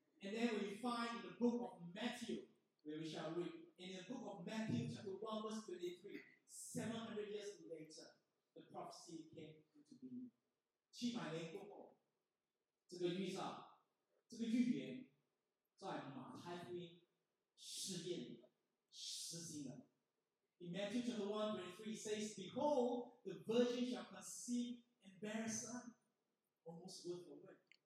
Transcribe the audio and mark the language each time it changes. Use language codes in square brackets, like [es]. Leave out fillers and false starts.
[en] And then we find in the book of Matthew, where we shall read, in the book of Matthew chapter 1 verse 23, 700 years later, the prophecy came into being. [zh] 700年过后，这个预兆，这个预言，在马太福音实验实行了。 [en] In Matthew chapter 1 verse 23, it says, Behold, the virgin shall conceive,And bear a son, almost word for word.